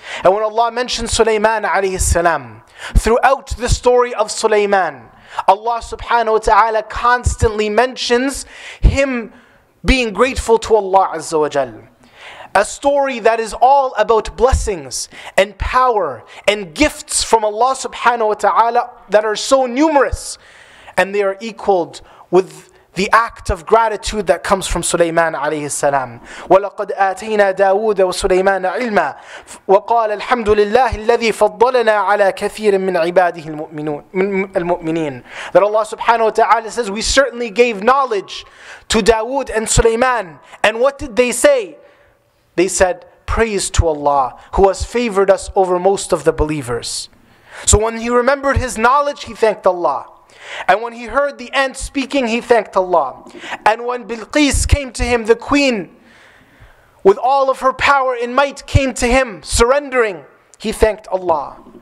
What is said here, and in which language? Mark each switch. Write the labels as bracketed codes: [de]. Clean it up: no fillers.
[en] And when Allah mentions Sulaiman alayhi salam, throughout the story of Sulaiman, Allah subhanahu wa ta'ala constantly mentions him being grateful to Allah Azza wa Jal. A story that is all about blessings and power and gifts from Allah subhanahu wa ta'ala that are so numerous, and they are equaled with the act of gratitude that comes from Sulaiman alayhi salam. [ar] وَلَقَدْ آتَيْنَا دَاوُودَ وَسُلَيْمَانَ عِلْمًا وَقَالَ الْحَمْدُ لِلَّهِ الَّذِي فَضَّلَنَا عَلَىٰ كَثِيرٍ مِّنْ عِبَادِهِ الْمُؤْمِنِينَ. [en] That Allah subhanahu wa ta'ala says, we certainly gave knowledge to Dawood and Sulaiman. And what did they say? They said, praise to Allah who has favored us over most of the believers. So when he remembered his knowledge, he thanked Allah. And when he heard the ant speaking, he thanked Allah. And when Bilqis came to him, the queen, with all of her power and might came to him, surrendering, he thanked Allah.